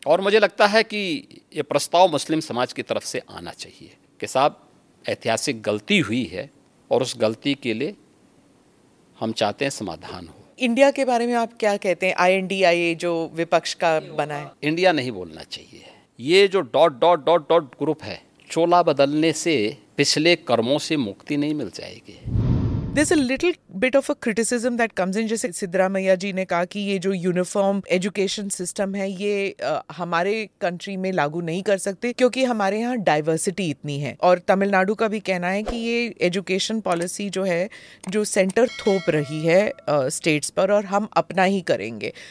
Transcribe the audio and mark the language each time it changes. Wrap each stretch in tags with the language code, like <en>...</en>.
<hi>और मुझे लगता है कि ये प्रस्ताव मुस्लिम समाज की तरफ से आना चाहिए कि साहब ऐतिहासिक गलती हुई है और उस गलती के लिए हम चाहते हैं समाधान हो. इंडिया के बारे में आप क्या कहते हैं, INDIA जो विपक्ष का बना है. इंडिया नहीं बोलना चाहिए. ये जो dot dot dot dot group है, चोला बदलने से पिछले कर्मों से मुक्ति नहीं मिल जाएगी.</hi> <en>There's a little bit of a criticism that comes in.</en> <hi>जैसे सिद्धरामैया जी ने कहा कि ये जो यूनिफॉर्म एजुकेशन सिस्टम है ये हमारे कंट्री में लागू नहीं कर सकते क्योंकि हमारे यहाँ डाइवर्सिटी इतनी है. और तमिलनाडु का भी कहना है कि ये एजुकेशन पॉलिसी जो है जो सेंटर थोप रही है स्टेट्स पर और हम अपना ही करेंगे.</hi>